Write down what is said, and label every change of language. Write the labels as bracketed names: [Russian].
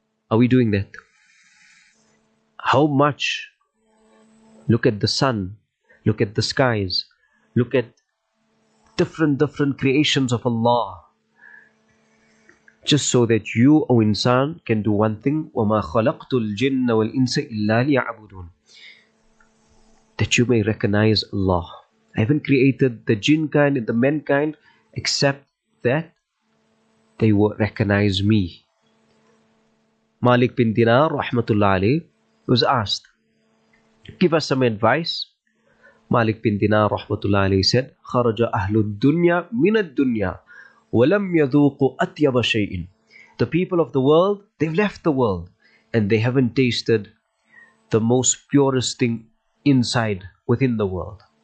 [English] Are we doing that? How much? Look at the sun, look at the skies, look at different creations of Allah. just so that you, O insan, can do one thing. [Arabic] وَمَا خَلَقْتُ الْجِنَّ وَالْإِنسَ إِلَّا لِيَعْبُدُونَ [English] That you may recognize Allah. I haven't created the jinn kind and the mankind except that they will recognize me. Malik bin Dinar, rahmatullah alayhi, was asked, give us some advice. Malik bin Dinar, rahmatullah alayhi, said, [Arabic] خَرَجَ أَهْلُ الدُّنْيَا مِنَ الدُّنْيَا وَلَمْ يَذُوقُ أَطْيَبَ شَيْءٍ [English] The people of the world, they've left the world and they haven't tasted the most purest thing inside, within the world.